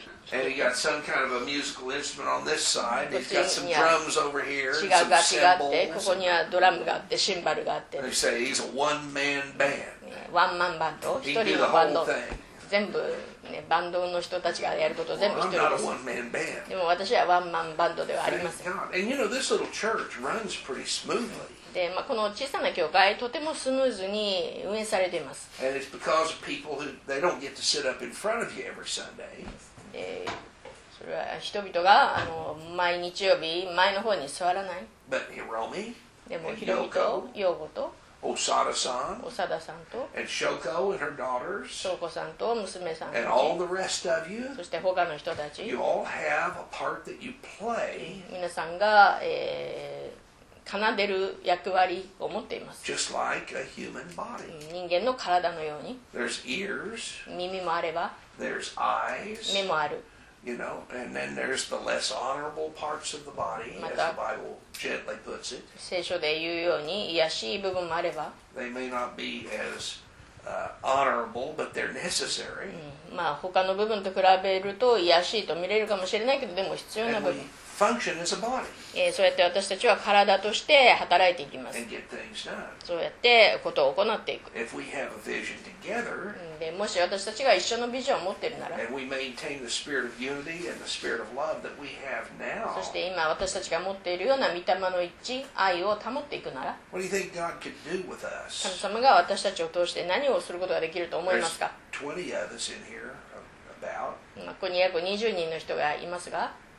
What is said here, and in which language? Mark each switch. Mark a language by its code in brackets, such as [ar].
[en] て、 and he got some kind of a musical instrument on this side. He's got some drums over here, some cymbals. [ja] 違う楽器があって、ここにはドラムがあってシンバルがあって、 [en] and he said he's a one man band. [ja] ワンマンバンド、一人のバンド、全部、ね、バンドの人たちがやることを全部一人です。 [en] Well, I'm not a one-man band. [ja] でも私はワンマンバンドではありません。 [en] Thank God. And you know, this little church runs pretty smoothly. [ja] で、まあ、この小さな教会とてもスムーズに運営されています。 [en] And it's because of people who they don't get to sit up in front of you every Sunday. [ja] で、それは人々が毎日曜日前の方に座らない。 [en] But Hiromi [ja] でも、ヒロミとヨーゴと [en] Osada-san, [ja] Osada-san と、 [en] and Shoko and her daughters, [ja] Shoko さんと娘さん、 [en] and all the rest of you, [ja] そして他の人たち、 [en] you all have a part that you play. [ja] 皆さんが、奏でる役割を持っています。 [en] Just like a human body. [ja] 人間の体のように。 [en] There's ears. [ja] 耳もあれば。 [en] There's eyes. [ja] 目もある。 [en] You know, and then there's the less honorable parts of the body, as the Bible gently puts it. [ja] 聖書で言うように、卑しい部分もあれば。 [en] They may not be as honorable, but they're necessary. [ja] まあ他の部分と比べると卑しいと見れるかもしれないけど、でも必要な部分。 [en] Function as a body. [ja] そうやって私たちは体として働いていきます。 [en] And get things done. [ja] そうやってことを行っていく。 [en] If we have a vision together, [ja] でもし私たちが一緒のビジョンを持っているなら、 [en] and we maintain the spirit of unity and the spirit of love that we have now, [ja] そして今私たちが持っているような御霊の一致、愛を保っていくなら、 [en] what do you think God could do with us? [ja] 神様が私たちを通して何をすることができると思いますか？ [en] There's 20 of us in here, about. [ja] まあ、ここに約20人の人がいますが、